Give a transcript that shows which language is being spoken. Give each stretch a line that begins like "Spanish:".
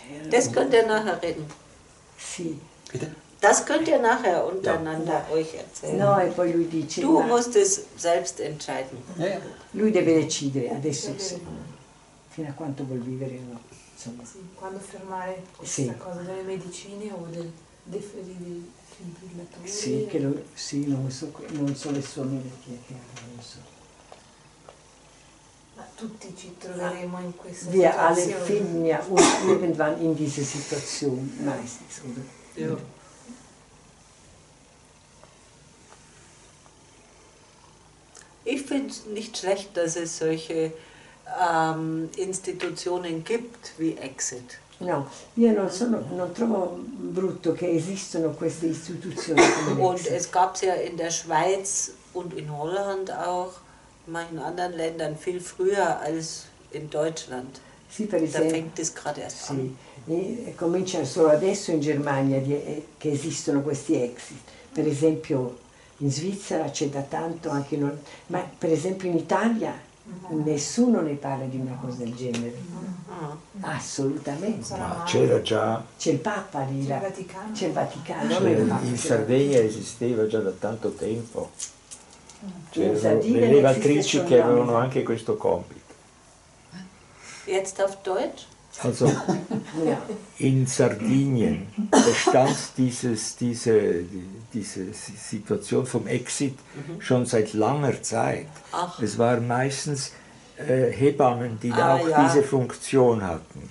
German: Das könnt ihr nachher reden.
Italian: Sì.
German: Das könnt ihr nachher untereinander euch erzählen.
Italian: No, e poi lui dice.
German: Du musst es selbst entscheiden.
Italian: Lui deve decidere adesso fino a quanto vuol vivere. No. Insomma. Sì, quando fermare questa cosa delle medicine o del defibrillatore. Sì, che lo, sì, non so le sue medicine, che non so. Tutti ci troveremo in questa situazione.
German: Wir alle finden ja uns irgendwann in diese Situation meistens, oder? Ja. Ich finde es nicht schlecht, dass es solche Institutionen gibt wie Exit.
Italian: No, io non trovo brutto che esistano queste istituzioni come Exit.
German: Und es gab es ja in der Schweiz und in Holland auch. In anderen Ländern viel früher als in Deutschland.
Italian: Sì, per esempio,
German: da fängt es gerade erst an.
Italian: Sì. E comincia solo adesso in Germania che esistono questi exit. Per esempio in Svizzera c'è da tanto, anche non, ma per esempio in Italia nessuno ne parla di una cosa del genere. Assolutamente. Ma c'era già. C'è il Papa lì. C'è il Vaticano. C'è il Vaticano. C'è in Sardegna esisteva già da tanto tempo. Le levatrici che avevano anche questo compito.
German: Jetzt auf Deutsch? Also, in Sardegna bestand diese Situation vom Exit schon seit langer Zeit. Ach. Es waren meistens Hebammen, die auch diese Funktion hatten.